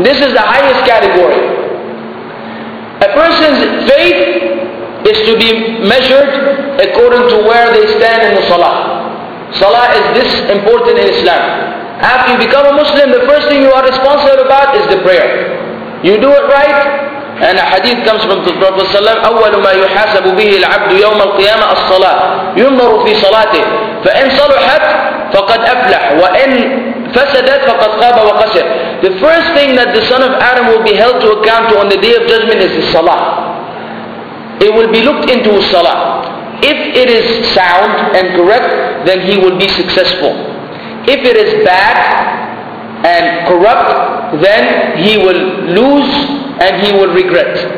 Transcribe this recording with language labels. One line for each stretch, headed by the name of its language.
English: This is the highest category. A person's faith is to be measured according to where they stand in the salah. Salah is this important in Islam. After you become a Muslim, the first thing you are responsible about is the prayer. You do it right,
Arabic: أنا حديث كم صلى الله عليه وسلم أول ما يحاسب به العبد يوم القيامة الصلاة، ينظر في صلاته، فإن صلحت فقد أفلح وإن فسدت فقد خاب وخسر.
English: The first thing that the son of Adam will be held to account on the day of judgment is his salah. It will be looked into his salah. If it is sound and correct, then he will be successful. If it is bad and corrupt, then he will lose and he will regret.